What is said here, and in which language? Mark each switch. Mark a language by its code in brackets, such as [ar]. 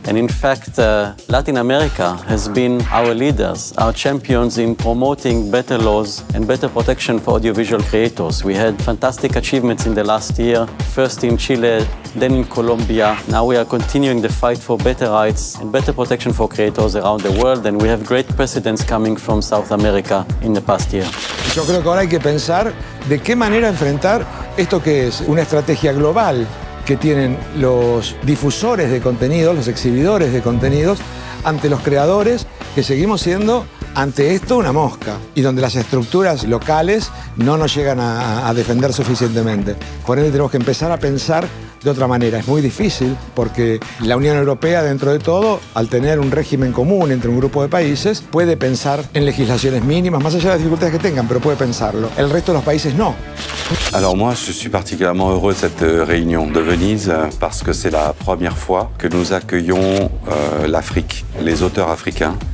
[en] And in fact, Latin America has been our leaders, our champions in promoting better laws and better protection for audiovisual creators. We had fantastic achievements in the last year, first in Chile, then in Colombia. Now we are continuing the fight for better rights and better protection for creators around the world, and we have great precedents coming from South America in the past year. [es] Yo creo que ahora hay que pensar de qué manera enfrentar esto que es una estrategia global que tienen los difusores de contenidos, los exhibidores de contenidos, ante los creadores, que seguimos siendo ante esto una mosca y donde las estructuras locales no nos llegan a defender suficientemente. Por ende, tenemos que empezar a pensar de otra manera. Es muy difícil porque la Unión Europea, dentro de todo, al tener un régimen común entre un grupo de países, puede pensar en legislaciones mínimas, más allá de las dificultades que tengan, pero puede pensarlo. El resto de los países no. [fr] Alors moi, je suis particulièrement heureux de cette réunion de Venise parce que c'est la première fois que nous accueillons l'Afrique, les auteurs africains.